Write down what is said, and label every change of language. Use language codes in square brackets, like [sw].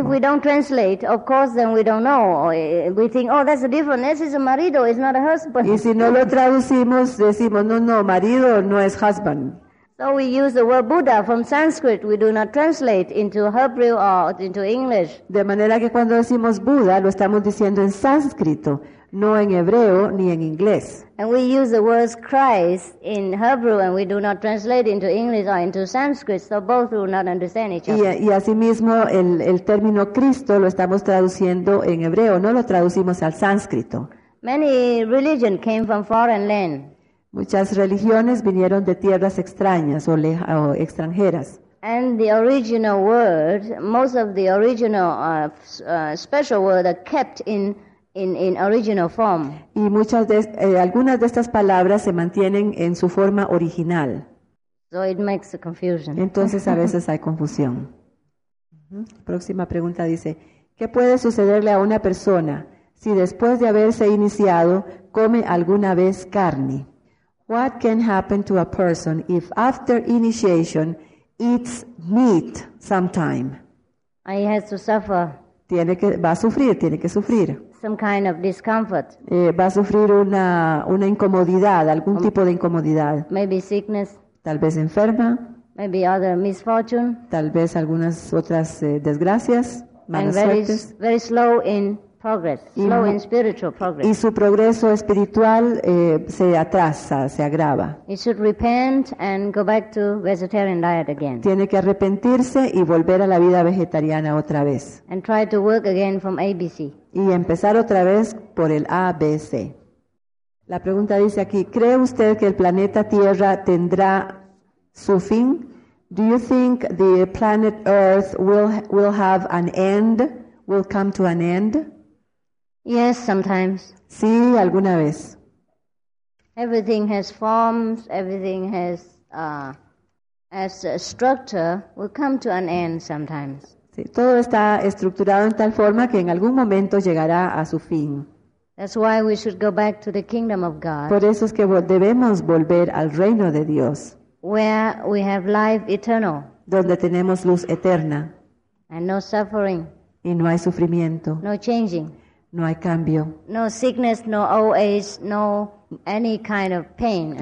[en] If we don't translate, of course, then we don't know. We think, oh, that's a difference. This is a marido, it's not a husband. [es] Y si no lo traducimos, decimos, no, marido no es husband. [en] So we use the word Buddha from Sanskrit. We do not translate into Hebrew or into English. [es] De manera que cuando decimos Buda, lo estamos diciendo en sánscrito, no en hebreo ni en inglés. [en] And we use the word Christ in Hebrew and we do not translate into English or into Sanskrit, so both do not understand each other. [es] Y asimismo, el término Cristo lo estamos traduciendo en hebreo, no lo traducimos al sánscrito. [en] Many religions came from foreign land. [es] Muchas religiones vinieron de tierras extrañas o extranjeras. [en] And the original word, most of the original special word are kept in original form. [es] Y muchas de algunas de estas palabras se mantienen en su forma original. [en] So it makes a confusion. [es] Entonces a veces hay confusión. Próxima pregunta dice, ¿qué puede sucederle a una persona si después de haberse iniciado come alguna vez carne? [en] What can happen to a person if after initiation eats meat sometime? He has to suffer. [es] Va a sufrir. [en] Some kind of discomfort. [es] Va a sufrir una incomodidad, algún tipo de incomodidad. [en] Maybe sickness. [es] Tal vez enferma. [en] Maybe other misfortune. [es] Tal vez algunas otras desgracias, malas suertes. [en] And very slow in progress, slow in spiritual progress. [es] Y su progreso espiritual se atrasa, se agrava. [en] He should repent and go back to vegetarian diet again. [es] Tiene que arrepentirse y volver a la vida vegetariana otra vez. [en] And try to work again from ABC. [es] Y empezar otra vez por el ABC. La pregunta dice aquí, ¿cree usted que el planeta Tierra tendrá su fin? [en] Do you think the planet Earth will have an end, will come to an end? Yes, sometimes. [es] Sí, alguna vez. [en] Everything has forms, everything has as a structure will come to an end sometimes. [es] Sí, todo está estructurado en tal forma que en algún momento llegará a su fin. [en] That's why we should go back to the kingdom of God. [es] Por eso es que debemos volver al reino de Dios. [en] Where we have life eternal. [es] Donde tenemos luz eterna. [en] And no suffering. [es] Y no hay sufrimiento. [en] No changing. [es] No hay cambio. [en] No sickness, no old age, no any kind of pain.